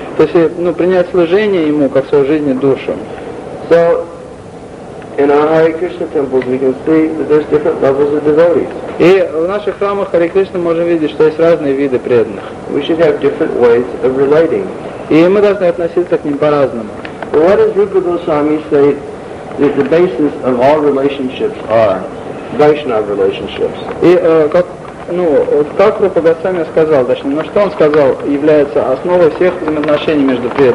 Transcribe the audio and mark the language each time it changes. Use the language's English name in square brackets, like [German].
[Russian] То есть, ну, принять служение ему как свою жизнь и душу. [English] So, in our Hare Krishna temples, we can see that there's different levels of devotees. [Russian] И в наших храмах Харе Кришна можем видеть, что есть разные виды преданных. [English] We should have different ways of relating. [Russian] И мы должны относиться к ним по-разному. [English] Well, what does Rupa Goswami say that the basis of all relationships are? Vaishnava relationships. [Russian] И как, ну, как Рупа Госвами сказал, точнее, ну что он сказал, является основой всех взаимоотношений между